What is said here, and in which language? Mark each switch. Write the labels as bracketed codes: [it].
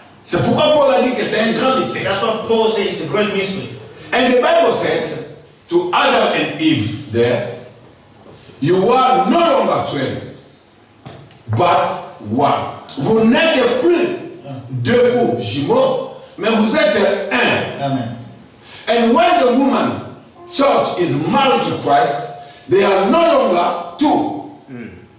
[fr] C'est pourquoi Paul a dit que c'est un grand mystère. [en] That's what Paul says, it's a great mystery. And the Bible said to Adam and Eve there, you are no longer twin, but one. [fr] Vous n'êtes plus deux jumeaux, mais vous êtes un. Amen. [en] And when the woman church is married to Christ, they are no longer two.